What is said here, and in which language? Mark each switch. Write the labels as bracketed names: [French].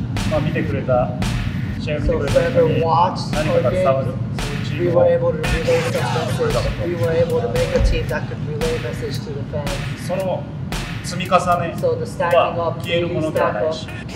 [Japanese] まあ見てくれた、試合を見てくれた人に何か伝わる。 [English] We were able to relay the message. We were able to make a team that could relay message to the fans. [Japanese] その積み重ねは消えるものではないし、